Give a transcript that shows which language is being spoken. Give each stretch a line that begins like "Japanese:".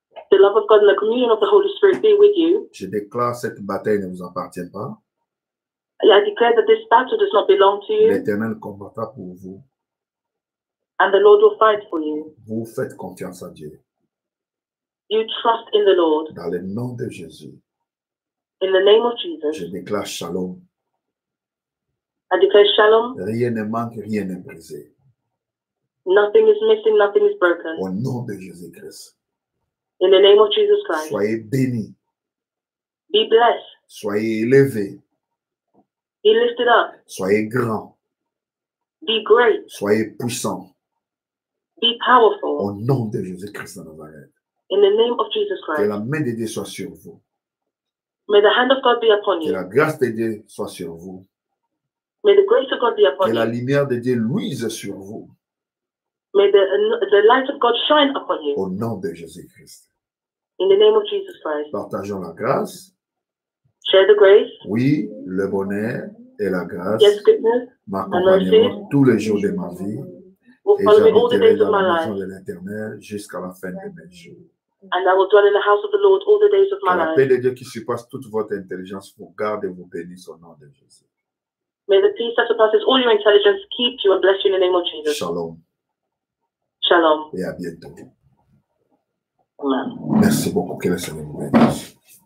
English: The love of God and the communion of the Holy Spirit be with you.
French: Je déclare cette bataille ne vous appartient pas.
English: I declare that this battle does not belong to you.
French: L'Éternel combattra pour vous.
English: And the Lord will fight for you.
French: Vous faites confiance à Dieu.
English: You trust in the Lord.
French: Dans le nom de Jésus.
English: In the name of Jesus.
French: Je déclare shalom.
English: I declare shalom.
French: Rien ne manque, rien n'est brisé.
English: Nothing is missing, nothing is broken.
French: Au nom de Jésus Christ.
English: In the name of Jesus Christ.
French: Soyez béni.
English: Be blessed.
French: Soyez élevé.
English: Be lifted up.
French: Soyez grand.
English: Be great.
French: Soyez puissant.
English: Be powerful.
French: Au nom de Jésus Christ de Nazareth.
English: In the name of Jesus Christ.
French: Que la main de Dieu soit sur vous.
English: May the hand of God be upon you.
French: Que la grâce de Dieu soit sur vous.
English: May the grace of God be upon
French: que
English: you.
French: Que la lumière de Dieu luise sur vous.
English: May the light of God shine upon you.
French: Au nom de Jésus-Christ.
English: In the name of Jesus Christ.
French: Partageons la grâce.
English: Share the grace.
French: Oui, le bonheur et la grâce.
English: Yes, goodness.
French: M'accompagneront tous les jours de ma vie.
English: Will follow me all the days of my life.
French: Et j'habiterai dans la maison de l'Éternel jusqu'à la fin de mes jours.
English: And I will dwell in the house of the Lord all the days of my life.
French: Que la paix de Dieu qui surpasse toute votre intelligence vous garde et vous bénisse au nom de Jésus.
English: May the peace that surpasses all your intelligence keep you and bless you in the name of Jesus.
French: Shalom.
English: Shalom.
French: Et à bientôt.
English: Amen.
French: Merci beaucoup. Que le Seigneur vous bénisse.